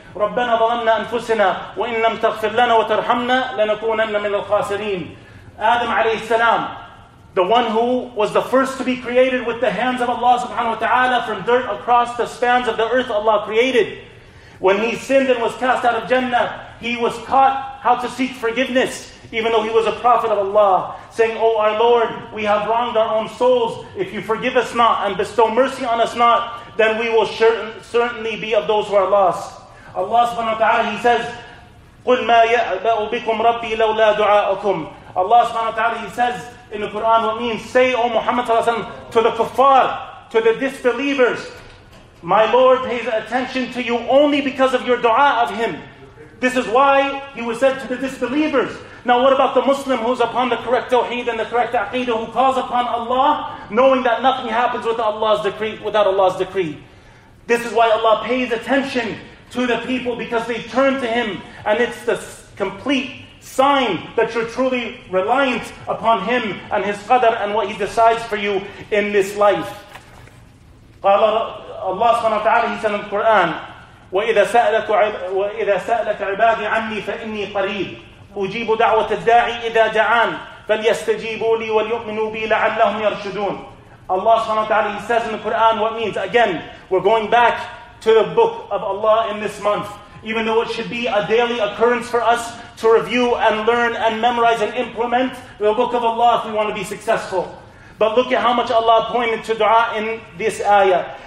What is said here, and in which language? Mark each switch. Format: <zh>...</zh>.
<ar>رَبَّنَا ظَلَمْنَا أَنفُسِنَا وَإِنْ لَمْ تَغْفِرْ لَنَا وَتَرْحَمْنَا لَنَكُونَنَّ مِنَ الْخَاسِرِينَ</ar> <en>Adam alayhi salam, the one who was the first to be created with the hands of Allah subhanahu wa ta'ala from dirt across the spans of the earth Allah created. When he sinned and was cast out of Jannah, He was taught how to seek forgiveness, even though he was a prophet of Allah, saying, "Oh, our Lord, we have wronged our own souls. If you forgive us not and bestow mercy on us not, then we will certainly be of those who are lost."</en> <ar>Allah subhanahu wa ta'ala,</ar> <en>he says,</en> <ar>قُلْ مَا يَأْبَأُ بِكُمْ رَبِّي لَوْلَا دُعَاءُكُمْ.</ar> <en>Allah subhanahu wa ta'ala, he says in the Quran, what means, say, O Muhammad sallallahu alayhi wa sallam, to the kuffar, to the disbelievers, my Lord pays attention to you only because of your dua of him. This is why he was said to the disbelievers. Now what about the Muslim who's upon the correct tawheed and the correct aqidah, who calls upon Allah, knowing that nothing happens without Allah's decree. This is why Allah pays attention to the people, because they turn to him, and it's the complete sign that you're truly reliant upon him and his qadr and what he decides for you in this life.</en> <ar>Allah subhanahu wa ta'ala,</ar> <en>he said in the Quran,</en> <ar>وَإِذَا سَأَلَكَ عِبَادِي عَنِّي فَإِنِّي قَرِيبٌ أُجِيبُ دَعْوَةَ الدَّاعِي إِذَا دَعَانِ فَلْيَسْتَجِيبُوا لِي وَلْيُؤْمِنُوا بِي لَعَلَّهُمْ يَرْشُدُونَ.</ar> <en>Allah subhanahu wa ta'ala, he says in the Quran, what means, again, we're going back to the book of Allah in this month, even though it should be a daily occurrence for us to review and learn and memorize and implement the book of Allah if we want to be successful. But look at how much Allah pointed to dua in this ayah.</en>